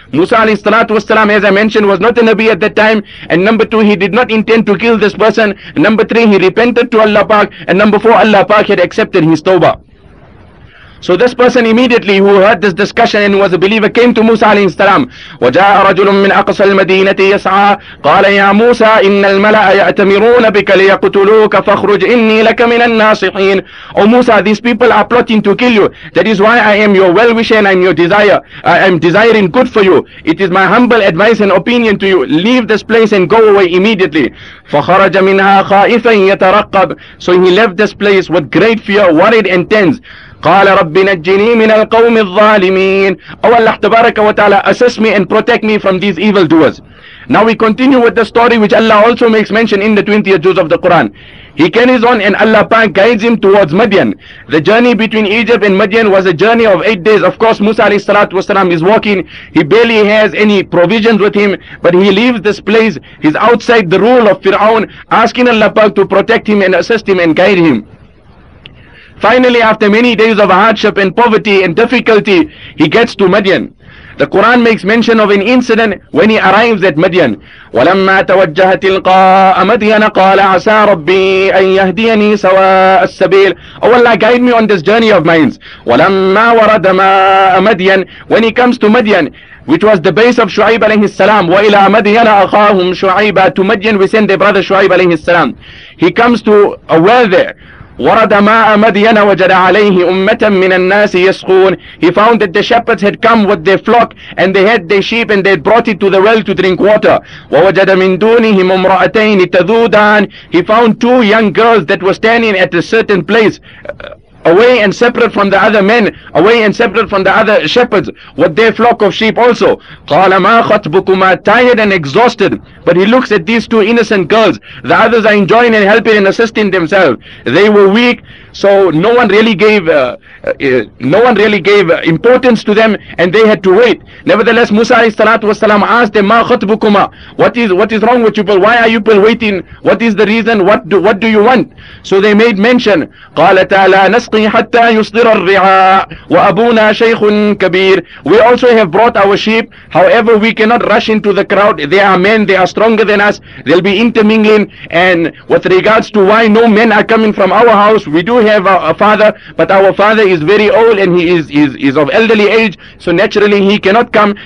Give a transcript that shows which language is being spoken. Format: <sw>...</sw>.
<en>Musa alayhi salatu wasalam, as I mentioned, was not a Nabi at that time. And number two, he did not intend to kill this person. Number three, he repented to Allah Pak. And number four, Allah Pak had accepted his tawbah. So this person immediately who heard this discussion and was a believer came to Musa alayhi salam.</en> <ar>وجاء رجل من أقصى المدينة يسعى قال يا موسى إن الملأ يأتمرون بك ليقتلوك فخرج إني لك من الناصحين.</ar> <en>Oh Musa, these people are plotting to kill you. That is why I am your well-wisher and I am your desire. I am desiring good for you. It is my humble advice and opinion to you. Leave this place and go away immediately.</en> <ar>فخرج منها خائفا يترقب. So he left this place with great fear, worried and tense. قال رب نجني من القوم الظالمين.</ar> <en>Oh Allah</en> <ar>تبارك وتعالى,</ar> <en>assist me and protect me from these evil doers. Now we continue with the story which Allah also makes mention in the 20th juz of the Quran. He carries on and Allah Pak guides him towards Madian. The journey between Egypt and Madian was a journey of 8 days. Of course, Musa alayhi salatu wasalam is walking. He barely has any provisions with him, but he leaves this place. He's outside the rule of Fir'aun, asking Allah Pak to protect him and assist him and guide him. Finally, after many days of hardship and poverty and difficulty, he gets to Madian. The Quran makes mention of an incident when he arrives at Madian.</en> <ar>وَلَمَّا تَوَجَّهَ تِلْقَاءَ مَدْيَنَ قَالَ عَسَى رَبِّي أَنْ يَهْدِيَنِي سَوَاءَ السَّبِيلِ.</ar> <en>Oh Allah, guide me on this journey of mine.</en> <ar>وَلَمَّا وَرَدَ مَاءَ مَدْيَنَ.</ar> <en>When he comes to Madian, which was the base of Shu'aib alayhi salam,</en> <ar>وَإِلَى مَدْيَنَ أَخَاهُمْ شُعَيْبَ.</ar> <en>To Madian we send their brother Shu'aib alayhi salam. He comes to a well there.</en> <ar>ورد ماء مدين وجد عليه أمة من الناس يسقون.</ar> <en>He found that the shepherds had come with their flock and they had their sheep and they had brought it to the well to drink water.</en> <ar>ووجد من دونهم امرأتين تذودان.</ar> <en>He found two young girls that were standing at a certain place, away and separate from the other men, away and separate from the other shepherds, with their flock of sheep also.</en> <ar>قال ما خطبكما,</ar> <en>tired and exhausted. But he looks at these two innocent girls. The others are enjoying and helping and assisting themselves. They were weak, so no one really gave importance to them, and they had to wait. Nevertheless, Musa alayhi salatu wasalam asked them,</en> <ar>"Ma khatbukuma?</ar> <en>What is wrong with you people? Why are you people waiting? What is the reason? What do you want?" So they made mention.</en> <ar>قالت لا نسقي حتى يصدر الرعاء وأبونا شيخ كبير.</ar> <en>We also have brought our sheep. However, we cannot rush into the crowd. They are men. They are stronger than us. They'll be intermingling. And with regards to why no men are coming from our house, we do have a father, but our father is very old and he is of elderly age, so naturally he cannot come.</en>